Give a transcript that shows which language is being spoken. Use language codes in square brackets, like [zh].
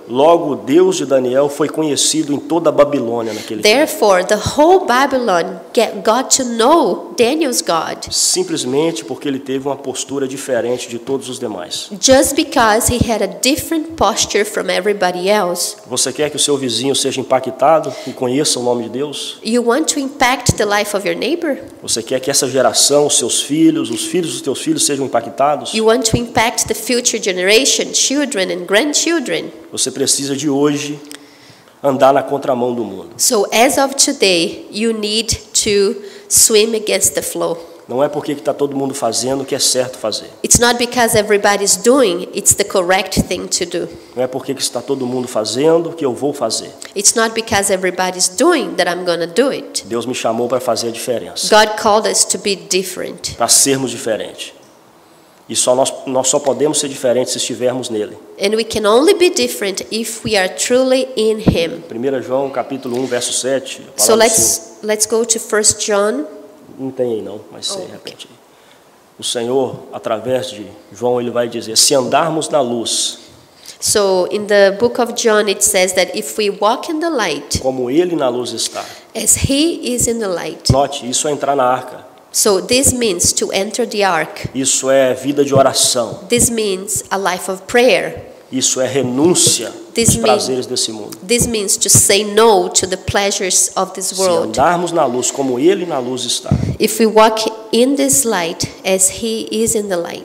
[pt] Logo o Deus de Daniel foi conhecido em toda a Babilônia naquele tempo. [en] Therefore, the whole Babylon got to know Daniel's God. [pt] Simplesmente porque ele teve uma postura diferente de todos os demais. [en] Just because he had a different posture from everybody else. [pt] Você quer que o seu vizinho seja impactado e conheça o nome de Deus? [en] You want to impact the life of your neighbor? [pt] Você quer que essa geração, os seus filhos, os filhos dos teus filhos sejam impactados? [en] You want to impact the future generation, children and grandchildren? [pt] Você precisa de hoje andar na contramão do mundo. [en] So as of today, you need to swim against the flow. [pt] Não é porque está todo mundo fazendo que é certo fazer. [en] It's not because everybody's doing, it's the correct thing to do. [pt] Não é porque está todo mundo fazendo que eu vou fazer. [en] It's not because everybody's doing that I'm going to do it. [pt] Deus me chamou para fazer a diferença. [en] God called us to be different. [pt] Para sermos diferentes. E só nós só podemos ser diferentes se estivermos nele. [en] And we can only be different if we are truly in him. [pt] 1 João capítulo 1 verso 7. [en] So let's go to 1 John. [pt] Não tem aí não, mas sei, repete. O Senhor através de João ele vai dizer: se andarmos na luz. [en] So in the book of John it says that if we walk in the light. [pt] Como ele na luz está. [en] As he is in the light. [pt] Note, isso é entrar na arca. [en] So this means to enter the ark. [pt] Isso é vida de oração. [en] This means a life of prayer. [pt] Isso é renúncia aos prazeres desse mundo. [en] This means to say no to the pleasures of this world. [pt] Se andarmos na luz como ele na luz está. [en] If we walk in this light as he is in the light.